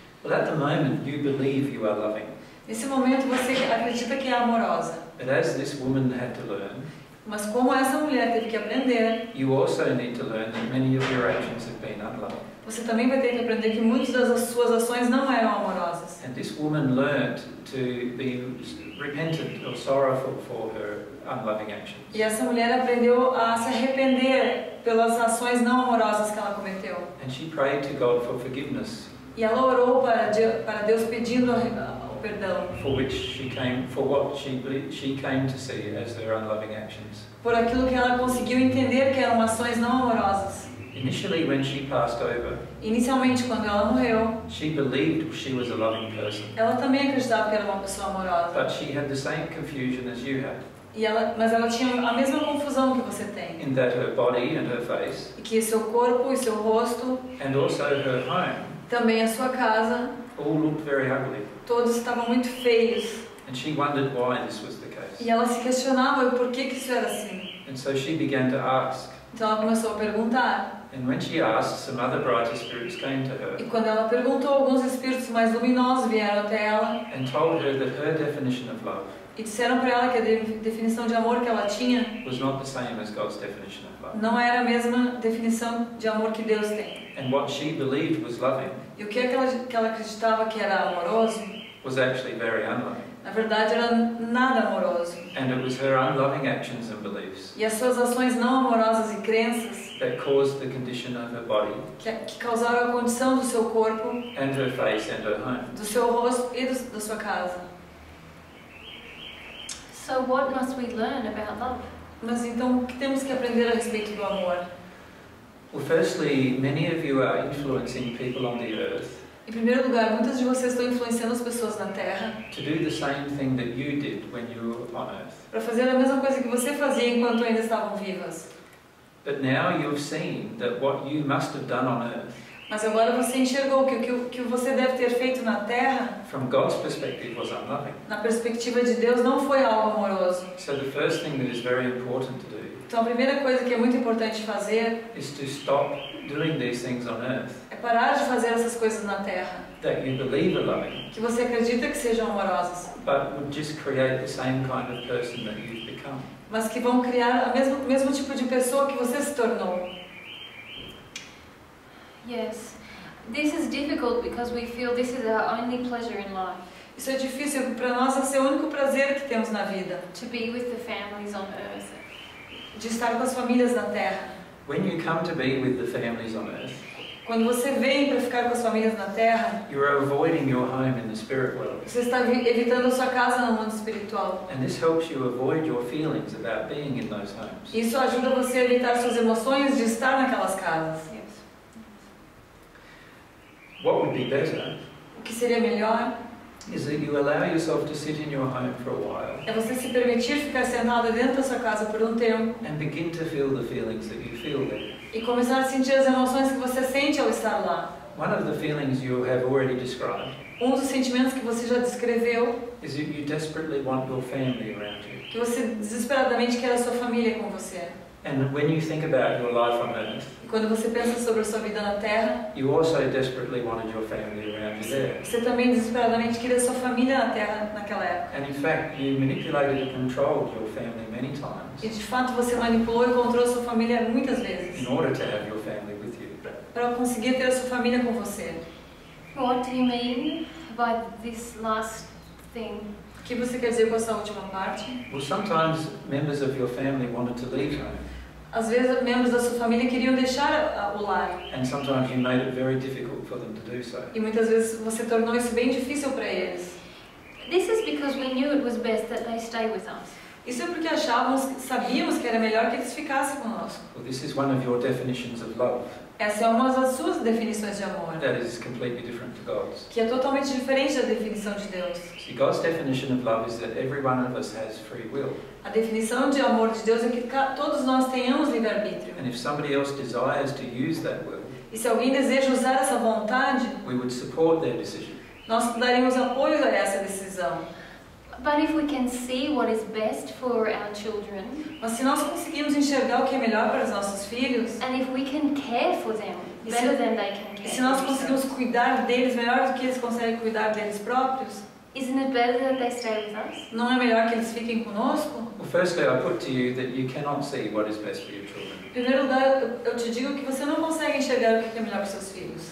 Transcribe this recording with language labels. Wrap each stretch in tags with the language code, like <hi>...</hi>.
<en>Well, at the moment, you believe you are loving.</en> <pt>Nesse momento, você acredita que é amorosa.</pt> <en>But as this woman had to learn,</en> <pt>mas como essa mulher teve que aprender,</pt> <en>you also need to learn that many of your actions have been unloving.</en> <pt>Você também vai ter que aprender que muitas das suas ações não eram amorosas.</pt> <en>And this woman learned to be repentant or sorrowful for her unloving actions.</en> <pt>E essa mulher aprendeu a se arrepender pelas ações não amorosas que ela cometeu.</pt> <en>And she prayed to God for forgiveness.</en> <pt>E ela orou para Deus pedindo o perdão.</pt> <en>For which she came, for what she came to see as her unloving actions.</en> <pt>Por aquilo que ela conseguiu entender que eram ações não amorosas.</pt> <en>Initially, when she passed over,</en> <pt>inicialmente quando ela morreu,</pt> <en>she believed she was a loving person.</en> <pt>Ela também acreditava que era uma pessoa amorosa.</pt> <en>But she had the same confusion as you had.</en> <pt>Mas ela tinha a mesma confusão que você tem.</pt> <en>In that her body and her face,</en> <pt>que seu corpo e seu rosto,</pt> <en>and also her home,</en> <pt>também a sua casa,</pt> <en>all looked very ugly.</en> <pt>Todos estavam muito feios.</pt> <en>And she wondered why this was the case.</en> <pt>E ela se questionava por que isso era assim.</pt> <en>And so she began to ask.</en> <pt>Então ela começou a perguntar.</pt> <en>And when she asked, some other brighter spirits came to her.</en> <pt>E quando ela perguntou, alguns espíritos mais luminosos vieram até ela.</pt> <en>And told her that her definition of love,</en> <pt>e disseram para ela que a definição de amor que ela tinha,</pt> <en>was not the same as God's definition of love.</en> <pt>Não era a mesma definição de amor que Deus tem.</pt> <en>And what she believed was loving,</en> <pt>e o que ela acreditava que era amoroso,</pt> <en>was actually very unloving.</en> <pt>Na verdade, era nada amoroso.</pt> <en>And it was her unloving actions and beliefs,</en> <pt>e as suas ações não amorosas e crenças,</pt> <en>that caused the condition of her body,</en> <pt>que causaram a condição do seu corpo,</pt> <en>and her face and her home,</en> <pt>do seu rosto e da sua casa.</pt> <en>So what must we learn about love?</en> <pt>Mas então, o que temos que aprender a respeito do amor?</pt> <en>Well, firstly, many of you are influencing people on the earth.</en> <pt>Em primeiro lugar, muitas de vocês estão influenciando as pessoas na Terra.</pt> <en>To do the same thing that you did when you were on earth.</en> <pt>Para fazer a mesma coisa que você fazia enquanto ainda estavam vivas.</pt> <en>But now you've seen that what you must have done on earth.</en> <pt>Mas agora você enxergou que o que você deve ter feito na Terra,</pt> <en>from God's perspective, was unloving.</en> <pt>Na perspectiva de Deus, não foi algo amoroso.</pt> <en>So the first thing that is very important to do,</en> <pt>então a primeira coisa que é muito importante fazer,</pt> <en>is to stop doing these things on earth,</en> <pt>é parar de fazer essas coisas na Terra,</pt> <en>that you believe are loving,</en> <pt>que você acredita que sejam amorosas,</pt> <en>but would just create the same kind of person that you've become.</en> <pt>Mas que vão criar o mesmo tipo de pessoa que você se tornou.</pt> <en>Yes, this is difficult because we feel this is our only pleasure in life.</en> <pt>Isso é difícil para nós, esse é o único prazer que temos na vida.</pt> <en>To be with the families on earth.</en> <pt>De estar com as famílias na Terra.</pt> <en>When you come to be with the families on earth,</en> <pt>quando você vem para ficar com as famílias na Terra,</pt> <en>you are avoiding your home in the spirit world.</en> <pt>Você está evitando a sua casa no mundo espiritual.</pt> <en>And this helps you avoid your feelings about being in those homes.</en> <pt>Isso ajuda você a evitar suas emoções de estar naquelas casas.</pt> <en>What would be better,</en> <pt>o que seria melhor,</pt> <en>is that you allow yourself to sit in your home for a while,</en> <pt>é você se permitir ficar sentado dentro da sua casa por tempo,</pt> <en>and begin to feel the feelings that you feel there.</en> <pt>E começar a sentir as emoções que você sente ao estar lá.</pt> <en>One of the feelings you have already described,</en> <pt>dos sentimentos que você já descreveu,</pt> <en>is that you desperately want your family around you.</en> <pt>Que você desesperadamente quer a sua família com você.</pt> <en>And when you think about your life on earth,</en> <pt>quando você pensa sobre a sua vida na Terra,</pt> <en>you also desperately wanted your family around you there.</en> <pt>Você também desesperadamente queria sua família na Terra naquela época.</pt> <en>And in fact, you manipulated and controlled your family many times.</en> <pt>E de fato você manipulou e controlou sua família muitas vezes.</pt> <en>In order to have your family with you.</en> <pt>Para conseguir ter a sua família com você.</pt> <en>What do you mean by this last thing?</en> <pt>O que você quer dizer com essa última parte?</pt> <en>Well, sometimes members of your family wanted to leave home.</en> <pt>Às vezes, membros da sua família queriam deixar o lar.</pt> <en>And sometimes you made it very difficult for them to do so.</en> <pt>E muitas vezes você tornou isso bem difícil para eles.</pt> <en>This is because we knew it was best that they stay with us.</en> <pt>Isso é porque achávamos, sabíamos que era melhor que eles ficassem conosco.</pt> <en>Well, this is one of your definitions of love.</en> <pt>Essa é uma das suas definições de amor.</pt> <en>That is completely different to God's.</en> <pt>Que é totalmente diferente da definição de Deus.</pt> <en>See, God's definition of love is that every one of us has free will.</en> <pt>A definição de amor de Deus é que todos nós tenhamos livre-arbítrio.</pt> <en>And if somebody else desires to use that will,</en> <pt>e se alguém deseja usar essa vontade,</pt> <en>we would support their decision.</en> <pt>Nós daríamos apoio a essa decisão.</pt> <en>But if we can see what is best for our children,</en> <pt>mas se nós conseguimos enxergar o que é melhor para os nossos filhos,</pt> <en>and if we can care for them better than they can care,</en> <pt>se nós conseguimos cuidar deles melhor do que eles conseguem cuidar deles próprios,</pt> <en>isn't it better that they stay with us?</en> <pt>Não é melhor que eles fiquem conosco?</pt> <en>Well, firstly, I put to you that you cannot see what is best for your children.</en> <pt>Em primeiro lugar, eu te digo que você não consegue enxergar o que é melhor para os seus filhos.</pt>